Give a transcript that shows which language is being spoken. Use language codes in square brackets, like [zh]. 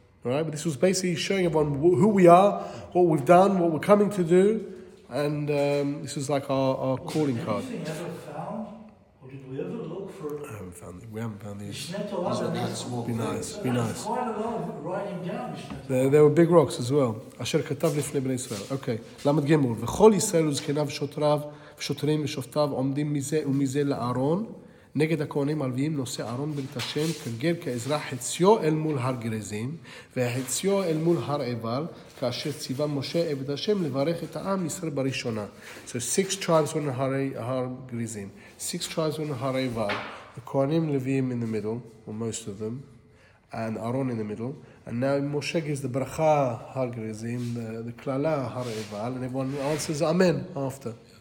[en] right? But this was basically showing everyone who we are, what we've done, what we're coming to do, and this was like our calling card. Anything ever found, or did we ever look for? We haven't found these. Be nice. Quite a lot of writing down. There were big rocks as well. [he] Asher katav lifnei bnei Israel. Okay. Lamed gimel. V'chol Yisrael uzkenav shotrav. שוטרים ושופטיו עומדים מזה ומזה לארון, נגד הכהנים הלוויים נושא ארון ברית השם, כגר כעזרה חציו אל מול הר גרזים, והחציו אל מול הר עבר, כאשר ציווה משה עבד השם לברך את העם ישראל בראשונה. [en] So six tribes on הר גרזים, six tribes on הר עבר, [he] הכהנים לוויים [en] in the middle, or most of them, and Aaron in the middle, and now Moshe gives the ברכה הר גרזים, the קללה הר עבר, and everyone answers amen after.